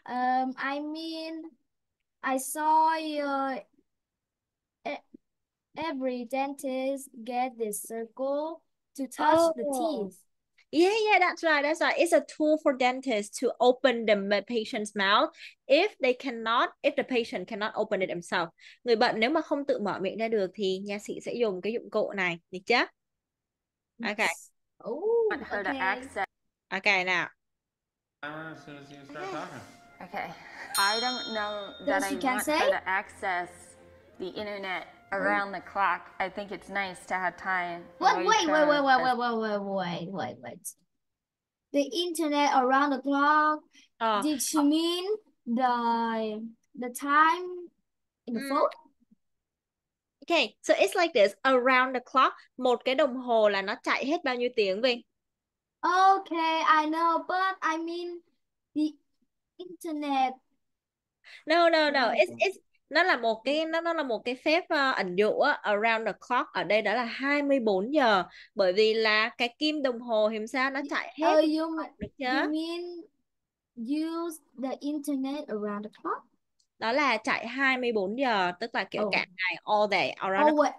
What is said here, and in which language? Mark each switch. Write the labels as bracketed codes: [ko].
[en] I mean, I saw your every dentist get this circle to touch the teeth. Yeah, that's right. That's right. It's a tool for dentists to open the patient's mouth if the patient cannot open it himself. [vi] Người bệnh nếu mà không tự mở miệng ra được thì nha sĩ sẽ dùng cái dụng cụ này, được chưa? [en] Okay. Ooh, okay. Okay, now. Okay. I don't know that I want her to access the internet around the clock. I think it's nice to have time. Wait. The internet around the clock. Did she mean the time in the phone? Okay, so it's like this. Around the clock. [vi] Một cái đồng hồ là nó chạy hết bao nhiêu tiếng vậy? [en] Okay, I know, but I mean the internet. No. [vi] It's nó là một cái phép ẩn dụ [en] around the clock. [vi] Ở đây đó là 24 giờ, bởi vì là cái kim đồng hồ hiểm sao nó chạy hết. [en] You mean use the internet around the clock? [vi] Đó là chạy 24 giờ, tức là kiểu cả ngày, [en] all day around